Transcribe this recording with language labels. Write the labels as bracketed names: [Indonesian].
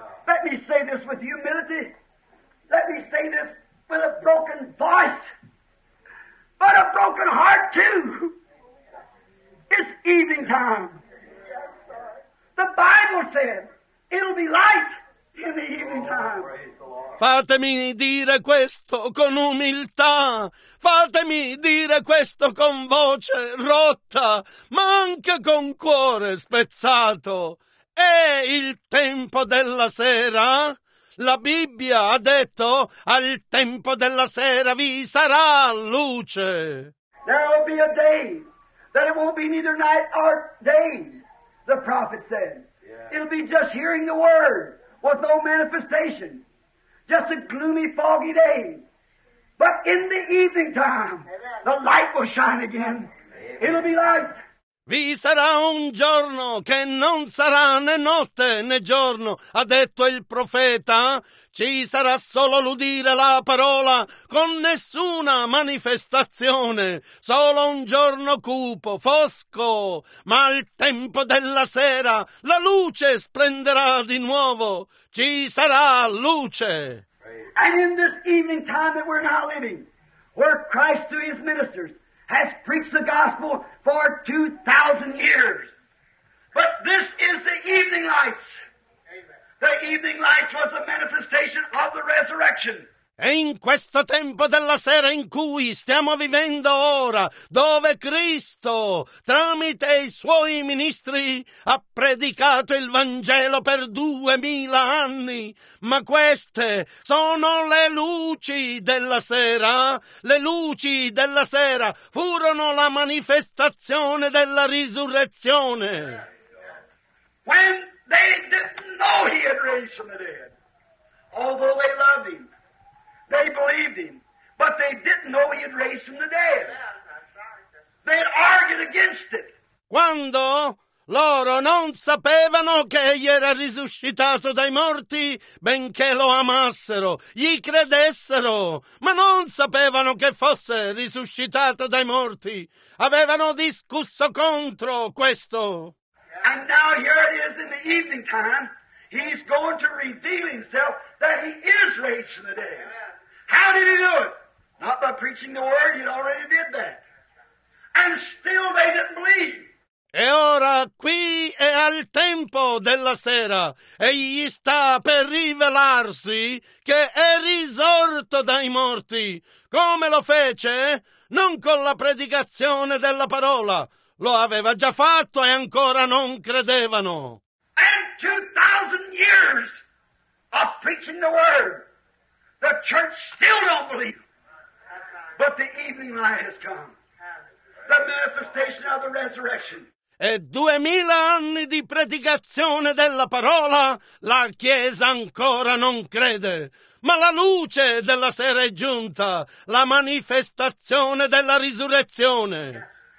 [English] Let me say this with humility. Let me say this with a broken voice, but a broken heart too. It's evening time. The Bible said it'll be light in the evening time. [Italian] Fatemi dire questo con umiltà, fatemi dire questo con voce rotta, ma anche con cuore spezzato. È il tempo della sera? La Bibbia ha detto, al tempo della sera vi sarà luce. [English] There will be a day that it won't be neither night or day, the prophet said. Yeah. It'll be just hearing the word with no manifestation. Just a gloomy, foggy day. But in the evening time, amen, the light will shine again. Amen. It'll be light. [Italian] Vi sarà un giorno che non sarà né notte né giorno, ha detto il profeta. Ci sarà solo l'udire la parola con nessuna manifestazione, solo un giorno cupo, fosco, ma al tempo della sera la luce splenderà di nuovo. Ci sarà luce. [English] And in this evening time that we're now living, where Christ to his ministers has preached the gospel for 2,000 years. But this is the evening lights. Amen. The evening lights was a manifestation of the resurrection. [Italian] E in questo tempo della sera in cui stiamo vivendo ora, dove Cristo, tramite i suoi ministri, ha predicato il Vangelo per 2000 anni, ma queste sono le luci della sera. Le luci della sera furono la manifestazione della risurrezione. [English] When they didn't know he had raised from the dead, although they loved him, they believed him, but they didn't know he had raised from the dead. They had argued against it. [Italian] Quando loro non sapevano che egli era risuscitato dai morti, benché lo amassero, gli credessero, ma non sapevano che fosse risuscitato dai morti. Avevano discusso contro questo. [English] And now here it is in the evening time, he's going to reveal himself that he is raised from the dead. How did he do it? Not by preaching the word, he already did that. And still they didn't believe. [Italian] E ora qui è al tempo della sera, egli sta per rivelarsi che è risorto dai morti. Come lo fece? Non con la predicazione della parola. Lo aveva già fatto e ancora non credevano. [English] And 2,000 years of preaching the word, the church still don't believe. But the evening light has come. The manifestation of the resurrection. [Italian] E 2000 anni di predicazione della parola, la Chiesa ancora non crede. Ma la luce della sera è giunta, la manifestazione della risurrezione.